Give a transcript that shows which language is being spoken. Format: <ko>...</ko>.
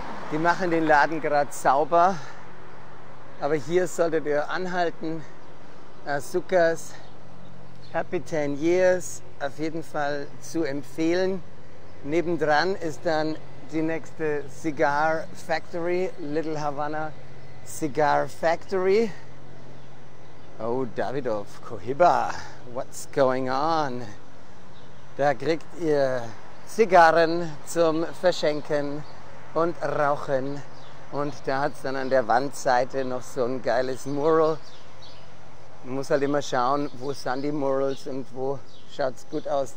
<de>Die machen den Laden gerade sauber. Aber hier solltet ihr anhalten. Asukas, Happy 10 Years, auf jeden Fall zu empfehlen. Nebendran ist dann die nächste Cigar Factory, Little Havana Cigar Factory.</de> <en>Oh, Davidov, Cohiba, what's going on?</en> <de>Da kriegt ihr Zigarren zum Verschenken und Rauchen. Und da hat es dann an der Wandseite noch so ein geiles Mural. Man muss halt immer schauen, wo sind die Murals und wo schaut es gut aus.</de>